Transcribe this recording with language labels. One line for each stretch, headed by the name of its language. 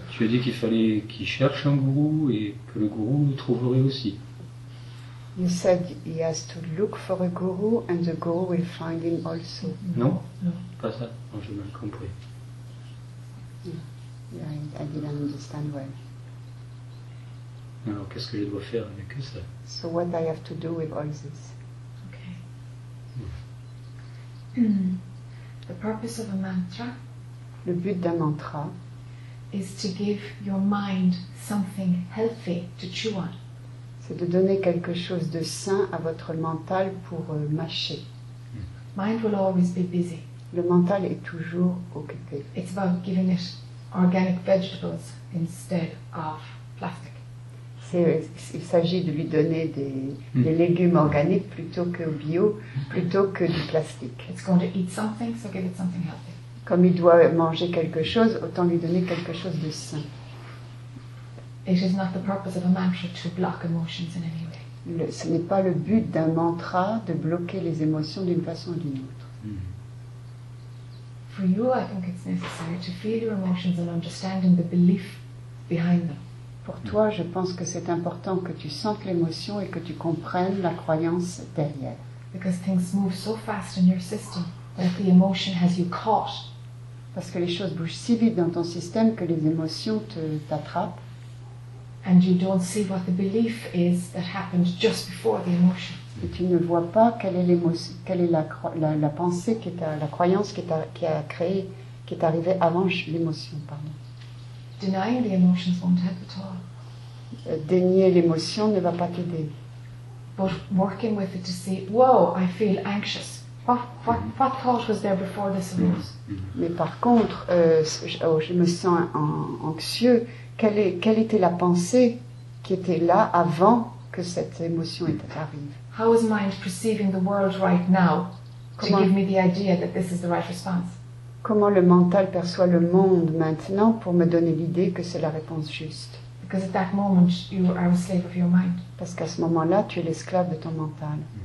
French: Tu as dit qu'il fallait qu'il cherche un gourou et que le gourou le trouverait aussi.
English: You said he has to look for a guru and the guru will find him also.
French: Non, pas ça. Non, j'ai mal compris.
English: Yeah, I didn't understand well.
French: Alors, qu'est-ce que je dois faire avec ça?
English: So what I have to do with all this? The purpose of a mantra,
French: le but d'un mantra,
English: is to give your mind something healthy to chew on.
French: C'est de donner quelque chose de sain à votre mental pour mâcher.
English: Mind will always be busy.
French: Le mental est toujours occupé.
English: It's about giving it organic vegetables instead of plastic.
French: Il s'agit de lui donner des légumes organiques plutôt que bio, plutôt que du plastique.
English: It's going to eat something, so give it something healthy.
French: Comme il doit manger quelque chose, autant lui donner quelque chose de sain.
English: It is not the purpose of a mantra to block emotions in any way.
French: Ce n'est pas le but d'un mantra de bloquer les émotions d'une façon ou d'une autre.
English: For you, I think it's necessary to feel your emotions and understanding the belief behind them.
French: Pour toi, je pense que c'est important que tu sentes l'émotion et que tu comprennes la croyance derrière.
English: Because things move so fast in your system that the emotion has you caught.
French: Parce que les choses bougent si vite dans ton système que les émotions t'attrapent.
English: And you don't see what the belief is that happened just before the emotion.
French: Et tu ne vois pas quelle est la pensée qui est arrivée avant l'émotion, pardon.
English: Denying the emotions won't help at all.
French: Dénier l'émotion ne va pas t'aider.
English: But working with it to see, wow, I feel anxious. What thought was there before this emotion?
French: Mais par contre, je me sens anxieux. Quelle était la pensée qui était là avant que cette émotion arrive?
English: How is mind perceiving the world right now to give me the idea that this is the right response?
French: Comment le mental perçoit le monde maintenant pour me donner l'idée que c'est la réponse juste?
English: Because at that moment you are a slave of your mind.
French: Parce qu'à ce moment-là, tu es l'esclave de ton mental.